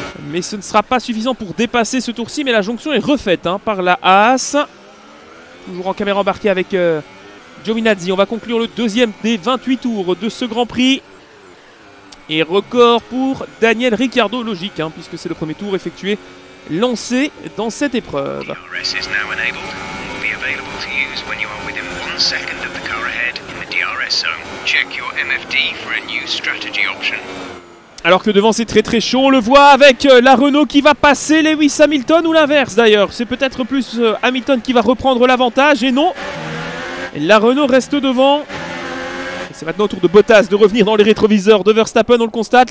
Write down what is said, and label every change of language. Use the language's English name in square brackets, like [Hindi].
[French] Mais ce ne sera pas suffisant pour dépasser ce tour-ci. Mais la jonction est refaite par la Haas. Toujours en caméra embarquée avec Giovinazzi. On va conclure le deuxième des 28 tours de ce Grand Prix. Et record pour Daniel Ricciardo, logique, puisque c'est le premier tour effectué, lancé dans cette épreuve. [English] DRS is now enabled and will be available to use when you are within 1 second of the car ahead in the DRS zone. Check your MFD for a new strategy option. [French] Alors que devant c'est très très chaud, on le voit avec la Renault qui va passer Lewis Hamilton ou l'inverse d'ailleurs. C'est peut-être plus Hamilton qui va reprendre l'avantage et non, la Renault reste devant. C'est maintenant au tour de Bottas de revenir dans les rétroviseurs de Verstappen, on le constate.